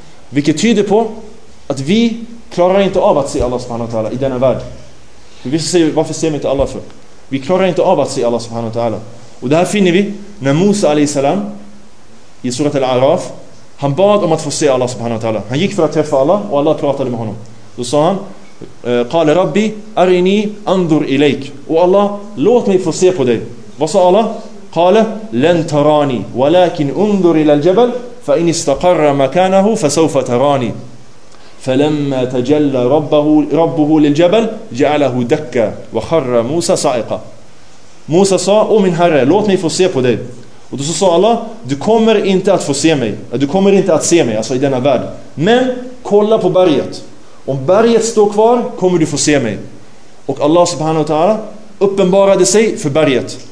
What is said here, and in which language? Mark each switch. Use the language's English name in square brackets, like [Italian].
[Swedish] Vilket tyder på att vi klarar inte av att se Allah subhanahu wa ta'ala i denna värld. Varför ser vi inte Allah för? Vi klarar inte av att se Allah subhanahu wa ta'ala. Och det här finner vi när Musa alaihi salam i surat al-Araf, han bad om att få se Allah subhanahu wa ta'ala. Han gick för att träffa Allah och Allah pratade med honom. Då sa han, [Arabic] قال ربي أرني أنظر إليك. [Swedish] Och Allah, låt mig få se på dig. Vad sa Allah? [Arabic] قال لن تراني ولكن انظر إلى الجبل فإن استقر مكانه فسوف تراني فلما تجلى ربه للجبل جعله دكا وخر موسى صائقا. [Swedish] موسى sa, oh min herre, låt mig få se på dig. Och då sa Allah, du kommer inte att få se mig, du kommer inte att se mig, alltså i denna värld, men kolla på berget. Om berget står kvar kommer du få se mig. Och Allah subhanahu wa ta'ala uppenbarade sig för berget.